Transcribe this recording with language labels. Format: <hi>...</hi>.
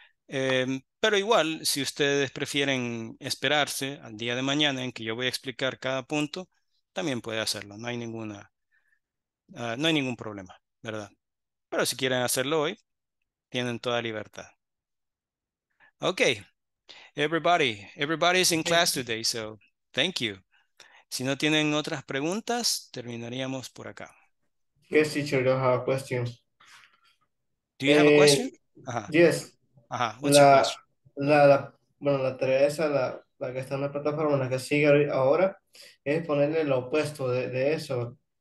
<es>Pero igual, si ustedes prefieren esperarse al día de mañana en que yo voy a explicar cada punto, también puede hacerlo. No hay ninguna, no hay ningún problema, ¿verdad? Pero si quieren hacerlo hoy, tienen toda libertad.</es> <en>Okay, everybody is in class today, so thank you.</en> <es>Si no tienen otras preguntas, terminaríamos por acá.</es> <en>Yes, teacher, I have a question. Do you have a question? Yes. Ajá.</en> <es>La tarea esa, la que está en la plataforma, la que sigue ahora, es ponerle lo opuesto de eso.</es>